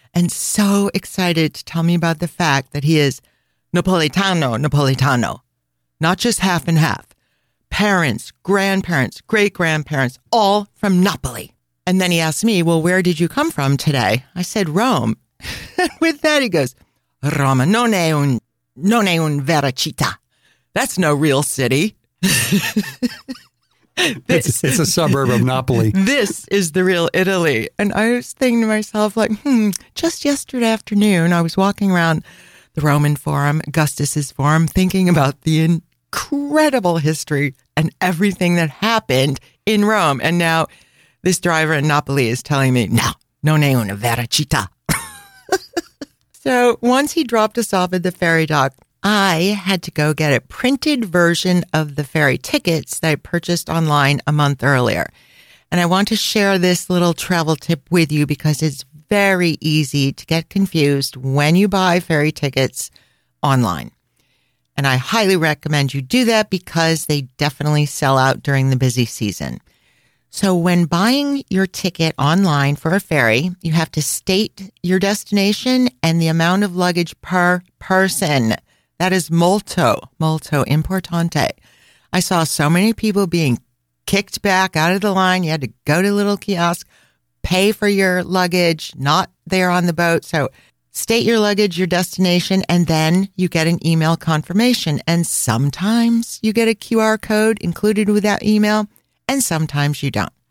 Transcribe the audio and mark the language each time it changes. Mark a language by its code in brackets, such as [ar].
[en] And so excited to tell me about the fact that he is Napolitano, not just half and half. Parents, grandparents, great-grandparents, all from Napoli. And then he asked me, "Well, where did you come from today?" I said, "Rome." With that, he goes, [it] "Roma non è un vera città. [en] That's no real city." It's a suburb of Napoli. This is the real Italy. And I was thinking to myself, like, just yesterday afternoon, I was walking around the Roman Forum, Augustus's Forum, thinking about the incredible history and everything that happened in Rome. And now this driver in Napoli is telling me, [it] no, non è una vera città. [en] So once he dropped us off at the ferry dock, I had to go get a printed version of the ferry tickets that I purchased online a month earlier. And I want to share this little travel tip with you because it's very easy to get confused when you buy ferry tickets online. And I highly recommend you do that because they definitely sell out during the busy season. So when buying your ticket online for a ferry, you have to state your destination and the amount of luggage per person. That is [it] molto, molto importante. [en] I saw so many people being kicked back out of the line. You had to go to a little kiosk, pay for your luggage, not there on the boat. So state your luggage, your destination, and then you get an email confirmation. And sometimes you get a QR code included with that email, and sometimes you don't.